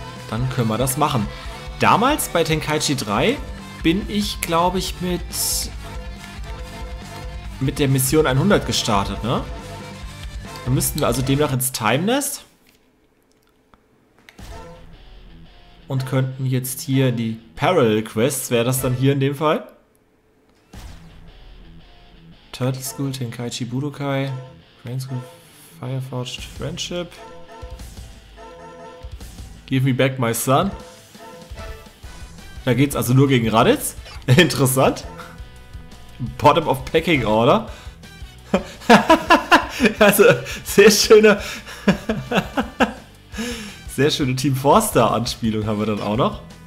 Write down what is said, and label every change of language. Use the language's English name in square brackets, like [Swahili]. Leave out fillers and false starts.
[German] Dann können wir das machen. Damals bei Tenkaichi 3 bin ich, glaube ich, mit der Mission 100 gestartet, ne? Dann müssten wir also demnach ins Time Nest. Und könnten jetzt hier die Parallel Quests, wäre das dann hier in dem Fall? Turtle School, Tenkaichi Budokai, Crane School, Fireforged Friendship. [English] Give me back my son. [German] Da geht's also nur gegen Raditz. Interessant. Bottom of Pecking Order. Also, sehr schöne. Sehr schöne Team Forster-Anspielung haben wir dann auch noch.